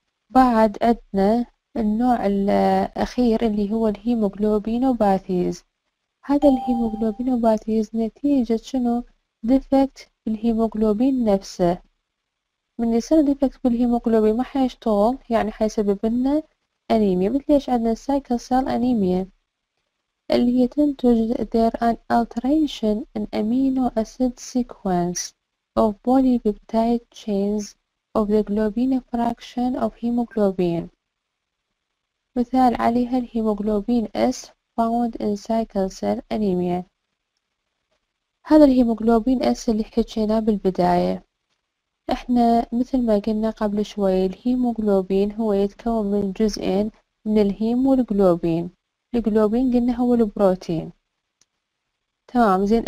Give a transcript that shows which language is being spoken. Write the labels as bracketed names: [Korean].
[Arabic] بعد عندنا النوع الأخير اللي هو الهيموغلوبينوباثيز. هذا الهيموغلوبينوباثيز نتيجة شنو؟ ديفكت بالهيموغلوبين نفسه. من يصير ديفكت بالهيموغلوبين ما حيشتغل، يعني حيسبب لنا أنيميا. مثل ايش عندنا؟ السايكل سيل أنيميا اللي هي تنتج [English] there an alteration in amino acid sequence of polypeptide chains of the globin fraction of hemoglobin. [Arabic] مثال عليها الهيموغلوبين [English] S found in sickle cell anemia. [Arabic] هذا الهيموغلوبين S اللي حكيناه بالبداية، احنا مثل ما قلنا قبل شوي الهيموغلوبين هو يتكون من جزئين من الهيم والجلوبين. الجلوبين قلنا هو البروتين، تمام زين.